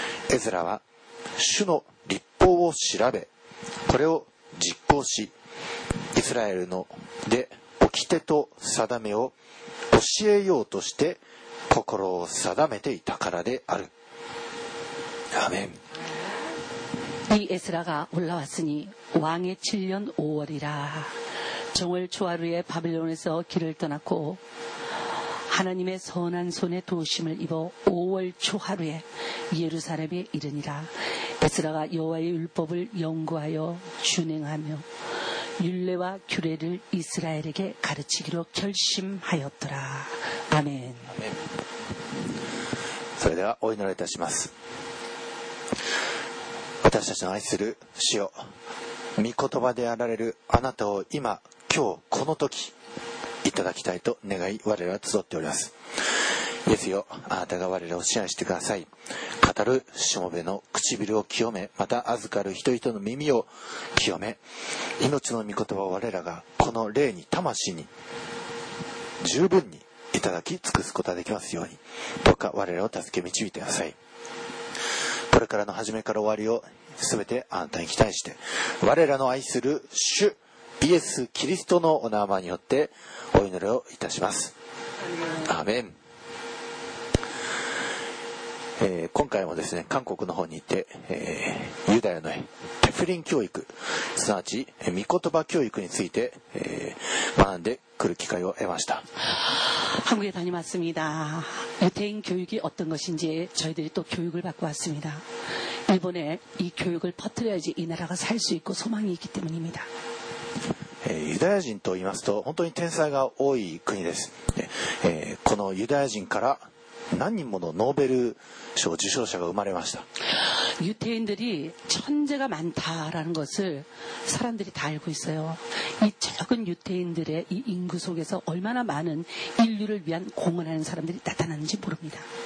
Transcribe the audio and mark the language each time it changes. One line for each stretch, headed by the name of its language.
Japanese: エズラは主の律法を調べ、これを実行し、イスラエルので掟と定めを教えようとして心を定めていたからである。
Korean: 아멘. 이 에스라가 올라왔으니 왕의 7년 5월이라. 정월 초하루에 바빌론에서 길을 떠났고 하나님의 선한 손에 도심을 입어 5월 초하루에 예루살렘에 이르니라. 에스라가 여호와의 율법을 연구하여 준행하며 율례와 규례를 이스라엘에게 가르치기로 결심하였더라. 아멘. 아멘.
Japanese: それではお祈りいたします。私たちの愛する主よ、 御言葉であられるあなたを今今日この時いただきたいと願い我らは集っております。イエスよ、あなたが我らを支配してください。語るしもべの唇を清め、また預かる人々の耳を清め、命の御言葉を我らがこの霊に魂に十分にいただき尽くすことができますように、どうか我らを助け導いてください。これからの初めから終わりを すべてあなたに期待して、我らの愛する主イエスキリストのお名前によってお祈りをいたします。アーメン。今回もですね、韓国の方に行って、ユダヤの福音教育、すなわち御言葉教育について学んでくる機会を得ました。
Korean: 한국에 다녀왔습니다. 유태인 교육이 어떤 것인지 저희들이 또 교육을 받고 왔습니다. 일본에 이 교육을 퍼뜨려야지 이 나라가 살 수 있고 소망이 있기 때문입니다.
Japanese: 유대인と言いますと本当に天才が多い国です。このユダヤ人から何人ものノーベル賞受賞者が生まれました。
Korean: 유태인들이 천재가 많다라는 것을 사람들이 다 알고 있어요. 이 작은 유태인들의 이 인구 속에서 얼마나 많은 인류를 위한 공헌하는 사람들이 나타나는지 모릅니다.